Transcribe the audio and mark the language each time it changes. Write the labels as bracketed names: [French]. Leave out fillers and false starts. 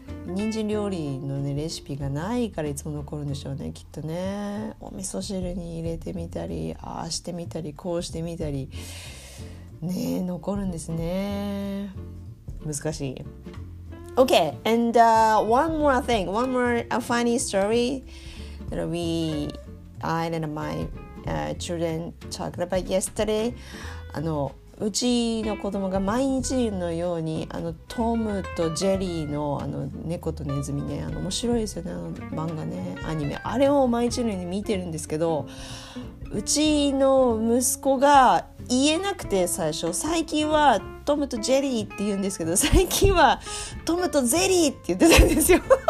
[Japanese] 人参料理の、ね、レシピがないからいつも残るんでしょうね、きっとね。お味噌汁に入れてみたり、ああしてみたり、こうしてみたりね、残るんですね、難しい。 [English] Okay, and one more funny story that I and my children talked about yesterday. [Japanese] うちの子供が毎日のようにトムとジェリーの猫とネズミね、面白いですよね、漫画ね、アニメ、あれを毎日のように見てるんですけど、うちの息子が言えなくて、最初、最近はトムとジェリーって言うんですけど、最近はトムとゼリーって言ってたんですよ。